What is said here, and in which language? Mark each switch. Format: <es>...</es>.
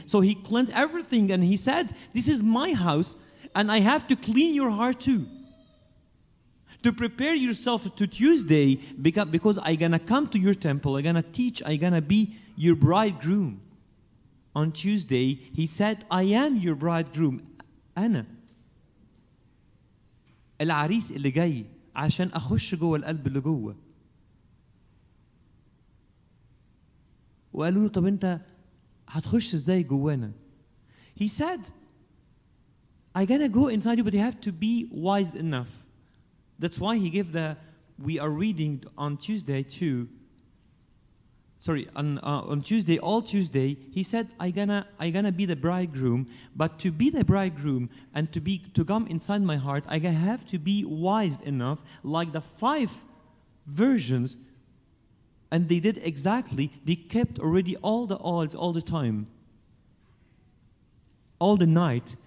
<en>So he cleansed everything, and he said, "This is my house, and I have to clean your heart too. To prepare yourself to Tuesday, because I'm going to come to your temple, I'm going to teach, I'm going to be your bridegroom." On Tuesday, he said, "I am your bridegroom.</en> <ar>أنا العريس اللي جاي عشان أخش جوه القلب اللي جوه." وقالوا له, "طب أنت هتخش إزاي جوانا?"</ar> <en>He said, "I'm going to go inside you, but you have to be wise enough." That's why he gave we are reading on Tuesday too. Sorry, on Tuesday, all Tuesday, he said, I'm gonna be the bridegroom, but to be the bridegroom and to come inside my heart, I have to be wise enough, like the five virgins, and they did exactly, they kept already all the odds all the time, all the night,</en>